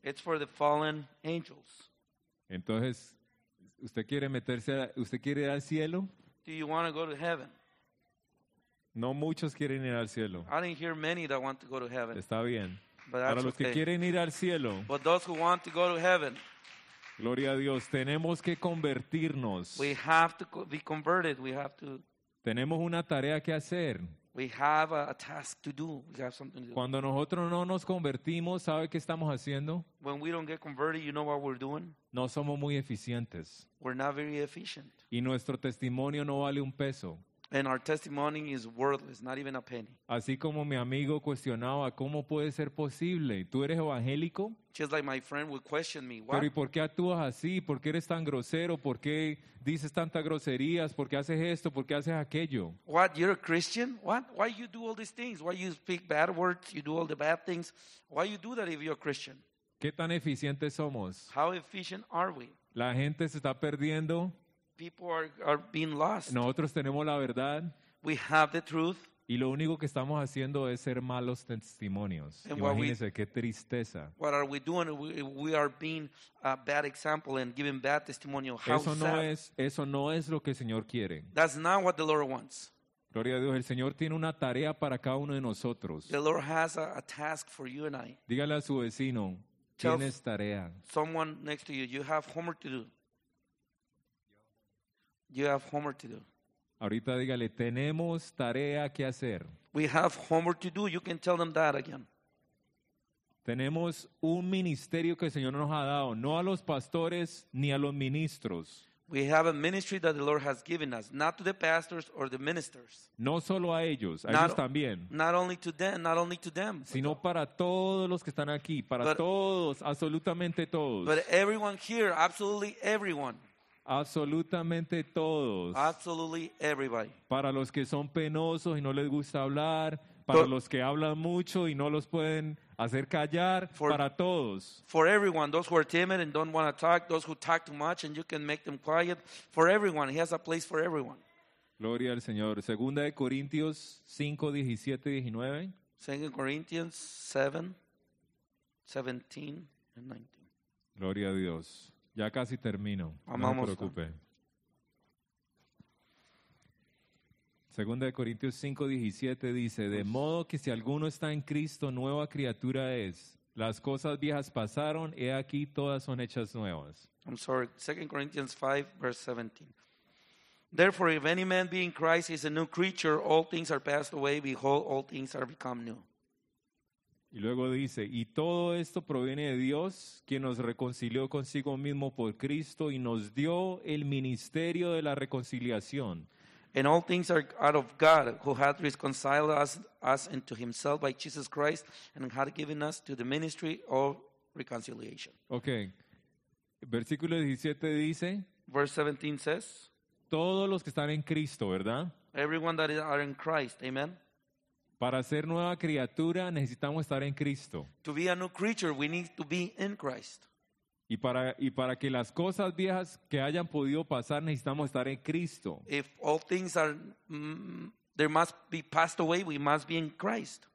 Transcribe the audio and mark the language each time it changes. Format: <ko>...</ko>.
<en>It's for the fallen angels.</en> <es>Entonces, ¿usted quiere meterse a, usted quiere ir al cielo?</es> <en>Do you want to go to heaven?</en> <es>No muchos quieren ir al cielo.</es> <en>I didn't hear many that want to go to heaven.</en> <es>Está bien.</es> <en>But</en> <es>para los</es> <en>okay.</en> <es>que quieren ir al cielo.</es> <en>But those who want to go to heaven.</en> <es>Gloria a Dios. Tenemos que convertirnos.</es> <en>We have to be converted. We have to.</en> <es>Tenemos una tarea que hacer.</es> <en>We have a task to do. We have something to do.</en> <es>Cuando nosotros no nos convertimos, ¿sabe qué estamos haciendo?</es> <en>When we don't get converted, you know what we're doing?</en> <es>No somos muy eficientes.</es> <en>We're not very efficient.</en> <es>Y nuestro testimonio no vale un peso.</es> <en>And our testimony is worthless, not even a penny.</en> <es>Así como mi amigo cuestionaba, ¿cómo puede ser posible? ¿Tú eres evangélico?</es> <en>Just like my friend would question me, what?</en> <es>Pero ¿y por qué actúas así? ¿Por qué eres tan grosero? ¿Por qué dices tantas groserías? ¿Por qué haces esto? ¿Por qué haces aquello?</es> <en>What? You're a Christian? What? Why you do all these things? Why you speak bad words? You do all the bad things? Why you do that if you're a Christian?</en> <es>¿Qué tan eficientes somos?</es> <en>How efficient are we?</en> <es>La gente se está perdiendo.</es> <en>People are being lost.</en> <es>Nosotros tenemos la verdad.</es> <en>We have the truth.</en> <es>Y lo único que estamos haciendo es ser malos testimonios. Imagínense qué tristeza.</es> <en>What are we doing? We are being a bad example and giving bad testimony. How</en> <es>eso no</es> <en>sad.</en> <es>Eso no es lo que el Señor quiere.</es> <en>That's not what the Lord wants.</en> <es>Gloria a Dios. El Señor tiene una tarea para cada uno de nosotros.</es> <en>The Lord has a task for you and I.</en> <es>Dígale a su vecino, tienes tarea.</es> <en>Someone next to you, you have homework to do. You have homework to do.</en> <es>Ahorita dígale, tenemos tarea que hacer.</es> <en>We have homework to do. You can tell them that again.</en> <es>Tenemos un ministerio que el Señor nos ha dado, no a los pastores ni a los ministros.</es> <en>We have a ministry that the Lord has given us, not to the pastors or the ministers.</en> <es>No solo a ellos, a ellos también.</es> <en>Not only to them.</en> <es>Sino para todos los que están aquí, para todos, absolutamente todos.</es> <en>But everyone here, absolutely everyone.</en> <es>Absolutamente todos.</es> <en>Absolutely everybody.</en> <es>Para los que son penosos y no les gusta hablar, para los que hablan mucho y no los pueden hacer callar, para todos.</es> <en>For everyone, those who are timid and don't want to talk, those who talk too much and you can make them quiet, for everyone, he has a place for everyone.</en> <es>Gloria al Señor. Segunda de Corintios 5, 17 y 19.</es> <en>2 Corinthians 7, 17 and 19.</en> <es>Gloria a Dios. Ya casi termino. Amamos, no se preocupe. 2 Corintios 5, 17 dice, de modo que si alguno está en Cristo, nueva criatura es. Las cosas viejas pasaron, he aquí todas son hechas nuevas.</es> <en>I'm sorry, 2 Corinthians 5, verse 17. Therefore, if any man be in Christ, he is a new creature, all things are passed away, behold, all things are become new.</en> <es>Y luego dice, y todo esto proviene de Dios, quien nos reconcilió consigo mismo por Cristo y nos dio el ministerio de la reconciliación.</es> <en>And all things are out of God, who hath reconciled us unto himself by Jesus Christ, and hath given us to the ministry of reconciliation.</en> <es>Okay. Versículo 17 dice,</es> <en>verse 17 says,</en> <es>todos los que están en Cristo, ¿verdad?</es> <en>Everyone that are in Christ, amen.</en> <es>Para ser nueva criatura necesitamos estar en Cristo.</es> <en>To be a new creature, we need to be in Christ.</en> <es>Y para que las cosas viejas que hayan podido pasar necesitamos estar en Cristo.</es> <en>If all things are there must be passed away, we must be in Christ.</en>